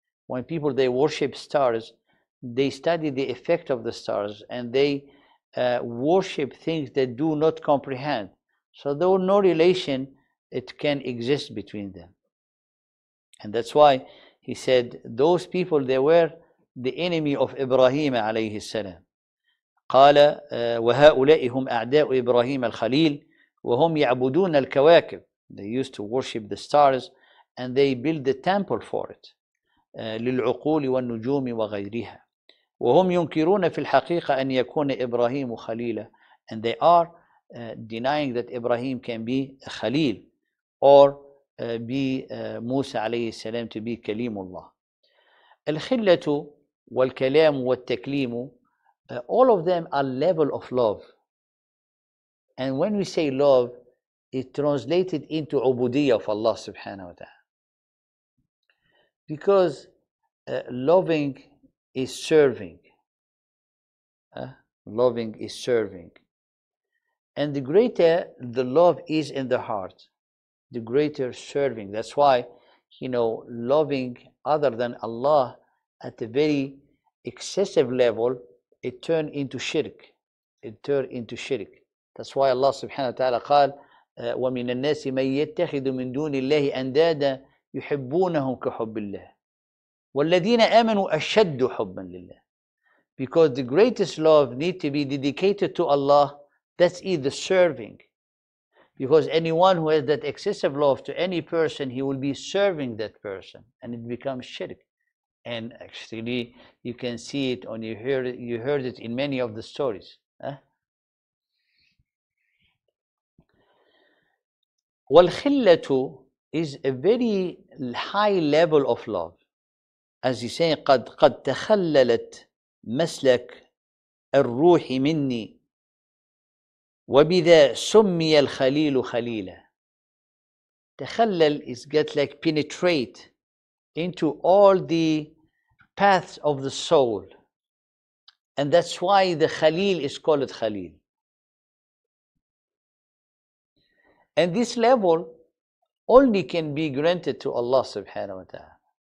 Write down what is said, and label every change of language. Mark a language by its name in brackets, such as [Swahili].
[English] When people, they worship stars, they study the effect of the stars, and they worship things that do not comprehend. So though no relation, it can exist between them. And that's why he said, those people, they were the enemy of Ibrahim alayhi salam. [Arabic] قال وهؤلاء هم أعداء إبراهيم الخليل وهم يعبدون الكواكب. [English] They used to worship the stars and they built the temple for it. [Arabic] للعقول والنجوم وغيرها. وهم ينكرون في الحقيقة أن يكون إبراهيم خليلا. [English] And they are denying that Ibrahim can be a Khalil or be موسى عليه السلام to be كليم الله. [Arabic] الخلة والكلام والتكليم, [English] all of them are level of love. And when we say love, it translated into عبودية of Allah subhanahu wa ta'ala. Because loving is serving. Loving is serving. And the greater the love is in the heart, the greater serving. That's why, you know, loving other than Allah at a very excessive level, it turned into shirk. It turned into shirk. That's why Allah subhanahu wa ta'ala [Arabic] قال, وَمِنَ النَّاسِ مَنْ يَتَّخِذُ مِنْ دُونِ اللَّهِ أَنْدَادًا يُحِبُّونَهُمْ كَحُبِّ اللَّهِ وَالَّذِينَ آمَنُوا أَشَدُّ حُبًّا لِلَّهِ. [English] Because the greatest love need to be dedicated to Allah, that's it, the serving. Because anyone who has that excessive love to any person, he will be serving that person, and it becomes shirk. And actually, you can see it, and you heard it in many of the stories. وَالْخِلَّةُ is a very high level of love. As he's saying, [Arabic] قَدْ تَخَلَّلَتْ مَسْلَكَ الرُّوحِ مِنِّي وَبِذَا سُمِّيَ الْخَلِيلُ خَلِيلًا. [English] تَخَلَّلْ is get like penetrate into all the paths of the soul. And that's why the Khalil is called Khalil. And this level only can be granted to Allah subhanahu wa ta'ala.